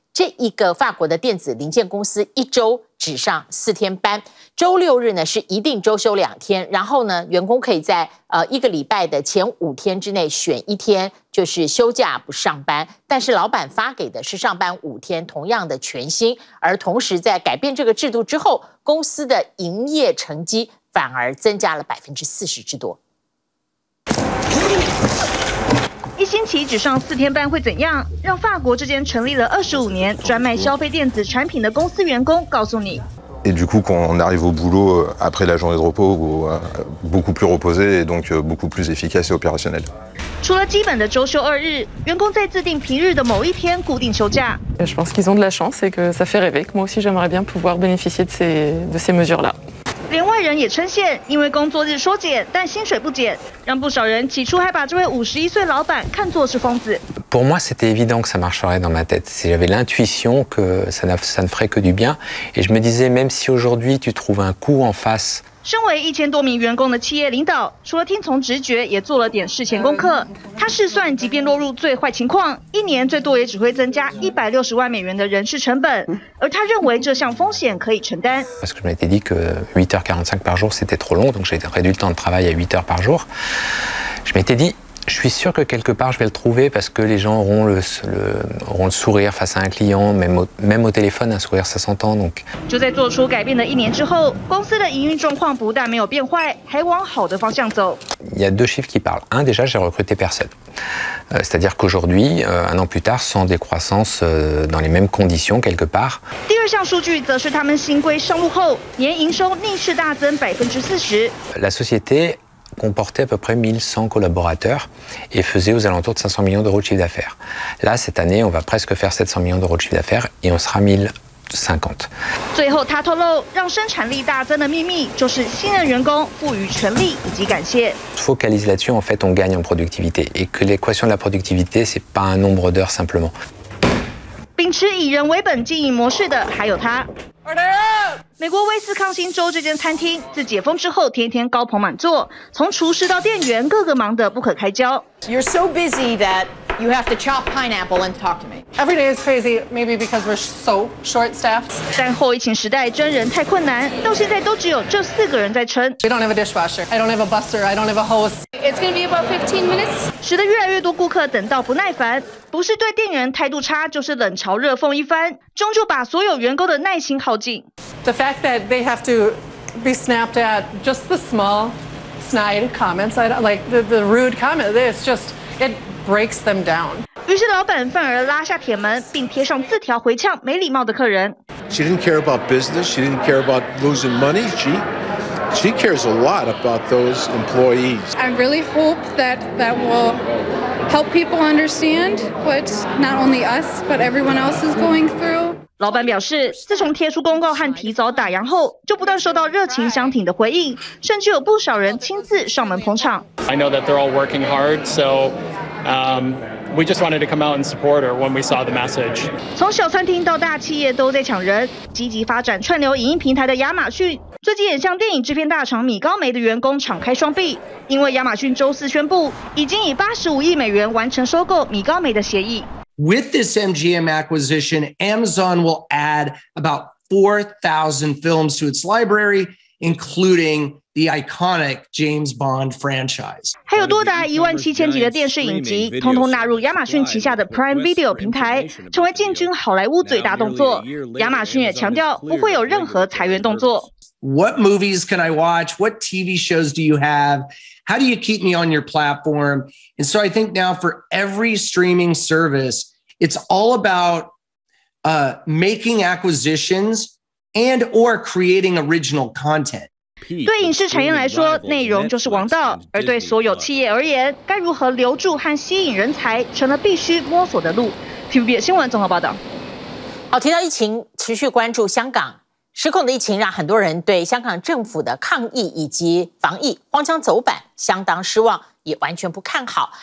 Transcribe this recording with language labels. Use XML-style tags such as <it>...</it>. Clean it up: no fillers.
<zh>这一个法国的电子零件公司一周只上四天班，周六日呢是一定周休两天，然后呢员工可以在一个礼拜的前五天之内选一天就是休假不上班，但是老板发给的是上班五天同样的全薪，而同时在改变这个制度之后，公司的营业成绩反而增加了40%之多。一星期只上四天班会怎样？让法国这间成立了25年、专卖消费电子产品的公司员工告诉你。</zh> <fr>Et du coup, quand on arrive au boulot après la journée de repos, beaucoup plus reposé et donc beaucoup plus efficace et opérationnel.</fr> <zh>除了基本的周休二日，员工在自定平日的某一天固定休假。</zh> <fr>Je pense qu'ils ont de la chance et que ça fait rêver. Moi aussi, j'aimerais bien pouvoir bénéficier de ces mesures-là.</fr> <zh>连外人也称羡，因为工作日缩减，但薪水不减，让不少人起初还把这位51岁老板看作是疯子。</zh> <fr>Pour moi, c'était évident que ça marcherait dans ma tête. J'avais l'intuition que ça ne ferait que du bien, et je me disais même si aujourd'hui tu trouves un coup en face.</fr> <zh>身为1000多名员工的企业领导，除了听从直觉，也做了点事前功课。他试算，即便落入最坏情况，一年最多也只会增加160万美元的人事成本，而他认为这项风险可以承担。</zh> <fr>Parce que je m'étais dit que 8h45 par jour c'était trop long, donc j'ai réduit le temps de travail à 8h par jour. Je m'étais dit, je suis sûr que quelque part je vais le trouver parce que les gens auront le sourire face à un client, même au téléphone, un sourire ça s'entend donc.</fr> <zh>就在做出改变的一年之后，公司的营运状况不但没有变坏，还往好的方向走。</zh> <fr>Il y a deux chiffres qui parlent. Un, déjà, j'ai recruté personne. C'est-à-dire qu'aujourd'hui, un an plus tard, sans décroissance, dans les mêmes conditions, quelque part.</fr> <zh>第二项数据则是他们新规上路后，年营收逆势大增40%。</zh> <fr>La société comportait à peu près 1100 collaborateurs et faisait aux alentours de 500 millions d'euros de chiffre d'affaires. Là, cette année, on va presque faire 700 millions d'euros de chiffre d'affaires et on sera 1050.</fr> <zh>最后他透露，让生产力大增的秘密就是信任员工，赋予权力以及感谢。</zh> <fr>Focalise là-dessus, en fait, on gagne en productivité et que l'équation de la productivité, c'est pas un nombre d'heures simplement.</fr> <zh>秉持以人为本经营模式的还有他。美国威斯康星州这间餐厅自解封之后天天高朋满座，从厨师到店员个个忙得不可开交。</zh> <en>You're so busy that you have to chop pineapple and talk to me. Every day is crazy, maybe because we're so short staffed.</en> <zh>但后疫情时代真人太困难，到现在都只有这四个人在撑。</zh> <en>We don't have a dishwasher. I don't have a buster. I don't have a hose. It's going to be about 15 minutes.</en> <zh>使得越来越多顾客等到不耐烦，不是对店员态度差，就是冷嘲热讽一番，终究把所有员工的耐心耗尽。</zh> <en>The fact that they have to be snapped at just the small snide comments, like the rude comment, it's just, it breaks them down.</en> <zh>于是老板反而拉下铁门，并贴上字条回呛没礼貌的客人。</zh> <en>She didn't care about business. She didn't care about losing money. She cares a lot about those employees. I really hope that will help people understand what not only us, but everyone else is going through.</en> <zh>老板表示，自从贴出公告和提早打烊后，就不断收到热情相挺的回应，甚至有不少人亲自上门捧场。</zh> <en>I know that they're all working hard, so, we just wanted to come out and support her when we saw the message.</en> <zh>从小餐厅到大企业都在抢人，积极发展串流影音平台的亚马逊。最近也向电影制片大厂米高梅的员工敞开双臂，因为亚马逊周四宣布已经以$85亿完成收购米高梅的协议。</zh> <en>With this MGM acquisition, Amazon will add about 4,000 films to its library, including the iconic James Bond franchise.</en> <zh>还有多达17,000集的电视影集，通通纳入亚马逊旗下的 Prime Video 平台，成为进军好莱坞最大动作。亚马逊也强调不会有任何裁员动作。</zh> <en>What movies can I watch? What TV shows do you have? How do you keep me on your platform? And so I think now for every streaming service, it's all about making acquisitions and or creating original content.</en> <zh>对影视产业来说，内容就是王道，而对所有企业而言，该如何留住和吸引人才，成了必须摸索的路。 TVBS 新闻综合报道。好，提到疫情，持续关注香港。失控的疫情让很多人对香港政府的抗疫以及防疫荒腔走板相当失望，也完全不看好。</zh>